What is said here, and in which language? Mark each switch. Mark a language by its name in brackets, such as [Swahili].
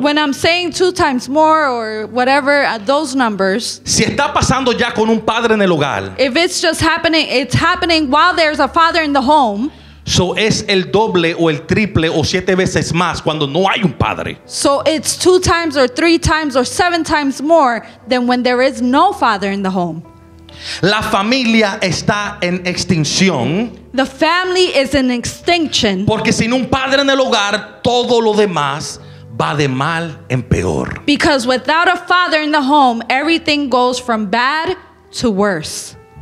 [English] When I'm saying two times more or whatever, those numbers. [Spanish] Si está pasando ya con un padre en el hogar. [English] If it's just happening, it's happening while there's a father in the home. [Spanish] So es el doble o el triple o siete veces más cuando no hay un padre. [English] So it's two times or three times or seven times more than when there is no father in the home. [Spanish] La familia está en extinción. [English] The family is in extinction. [Spanish] Porque sin un padre en el hogar, todo lo demás va de mal en peor. [English] Because without a father in the home, everything goes from bad to worse.